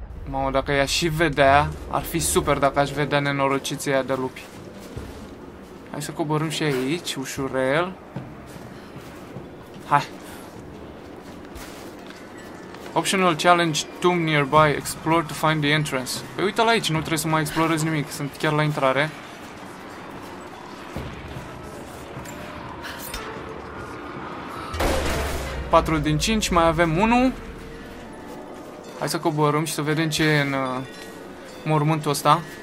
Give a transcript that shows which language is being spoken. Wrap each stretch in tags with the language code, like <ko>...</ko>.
<ro>Mamă, dacă ea și vedea, ar fi super dacă aș vedea nenorociția de lupi. Hai să coborâm și aici, ușurel. Hai.</ro> <en>Optional challenge, tomb nearby, explore to find the entrance.</en> <ro>Păi uite-l aici, nu trebuie să mai explorez nimic, sunt chiar la intrare. Patru din cinci, mai avem unul. Hai să coborâm și să vedem ce e în mormântul ăsta.</ro>